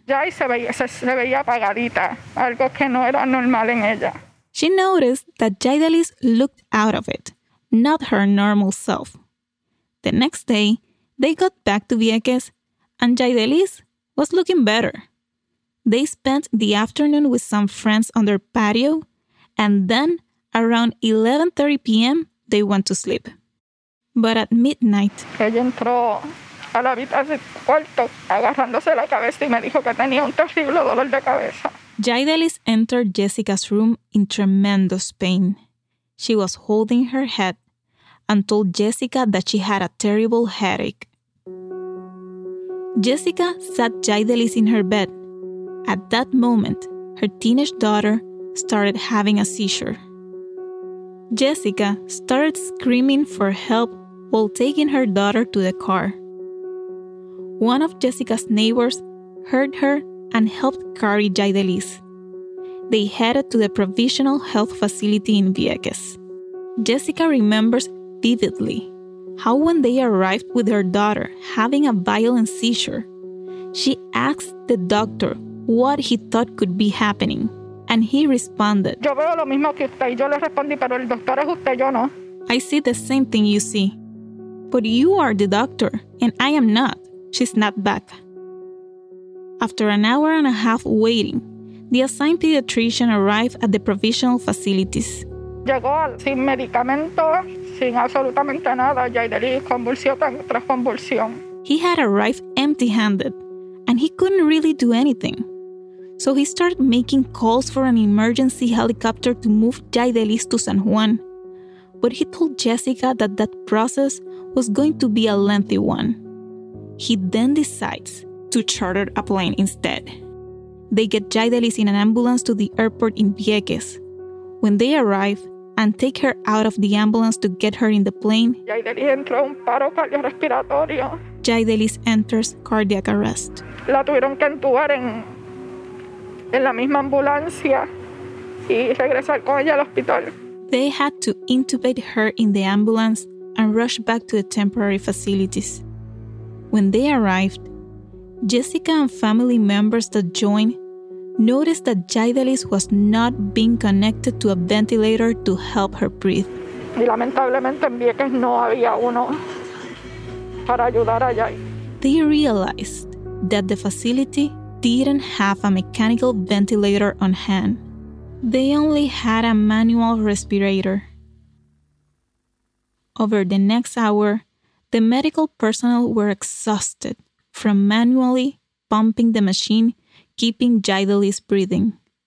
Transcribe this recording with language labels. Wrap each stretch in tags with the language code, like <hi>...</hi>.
<es>Se veía apagadita, algo que no era normal en ella.</es> <en>She noticed that Jaidelis looked out of it, not her normal self. The next day, they got back to Vieques and Jaidelis was looking better. They spent the afternoon with some friends on their patio, and then around 11:30 p.m., they went to sleep. But at midnight,</en> <es>ella entró a la habitación cuarto agarrándose la cabeza y me dijo que tenía un terrible dolor de cabeza.</es> <en>Jaidelis entered Jessica's room in tremendous pain. She was holding her head and told Jessica that she had a terrible headache. Jessica sat Jaidelis in her bed. At that moment, her teenage daughter started having a seizure. Jessica started screaming for help while taking her daughter to the car. One of Jessica's neighbors heard her and helped carry Jaidelis. They headed to the provisional health facility in Vieques. Jessica remembers vividly how when they arrived with her daughter having a violent seizure, she asked the doctor what he thought could be happening, and he responded,</en> <es>"Yo veo lo mismo que usted, yo le respondí, pero el doctor es usted, yo no."</es> <en>I see the same thing you see, but you are the doctor and I am not, she snapped back. After an hour and a half waiting, the assigned pediatrician arrived at the provisional facilities.</en> <es>Llegó sin medicamento, sin absolutamente nada, Jaidelis convulsión tras convulsión.</es> <en>He had arrived empty-handed, and he couldn't really do anything. So he started making calls for an emergency helicopter to move Jaidelis to San Juan. But he told Jessica that that process was going to be a lengthy one. He then decides to charter a plane instead. They get Jaidelis in an ambulance to the airport in Vieques. When they arrive and take her out of the ambulance to get her in the plane,</en> <es>Jaidelis entró un paro cardiorrespiratorio.</es> <en>Jaidelis enters cardiac arrest.</en> <es>La tuvieron que entubar en la misma ambulancia y regresar con ella al hospital.</es> <en>They had to intubate her in the ambulance and rush back to the temporary facilities. When they arrived, Jessica and family members that joined noticed that Jaidelis was not being connected to a ventilator to help her breathe.</en> <es>Y lamentablemente en Vieques no había uno para ayudar allá.</es> <en>They realized that the facility didn't have a mechanical ventilator on hand. They only had a manual respirator. Over the next hour, the medical personnel were exhausted from manually pumping the machine, keeping Jaidelis breathing.</en>